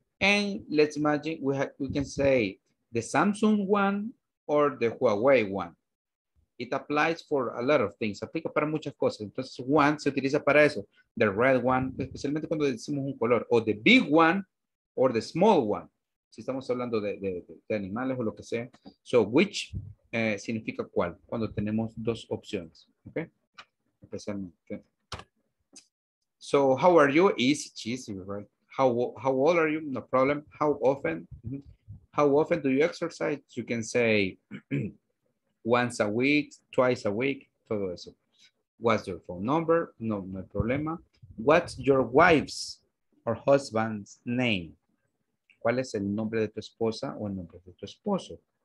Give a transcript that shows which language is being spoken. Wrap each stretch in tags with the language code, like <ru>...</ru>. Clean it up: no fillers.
<en>And let's imagine we can say the Samsung one or the Huawei one. It applies for a lot of things.</en> <es>Aplica para muchas cosas. Entonces, one se utiliza para eso.</es> <en>The red one,</en> <es>especialmente cuando decimos un color.</es> <en>O the big one or the small one.</en> <es>Si estamos hablando de animales o lo que sea. So, which significa cuál. Cuando tenemos dos opciones. Ok. Especialmente.</es> <en>So, how are you? Easy, cheesy, right? How old are you? No problem. How often? How often do you exercise? You can say once a week, twice a week.</en> <es>Todo eso.</es> <en>What's your phone number? No,</en> <es>no hay problema.</es> <en>What's your wife's her husband's name?</en> <es>¿Cuál es el nombre de tu esposa o el nombre de tu esposo?</es>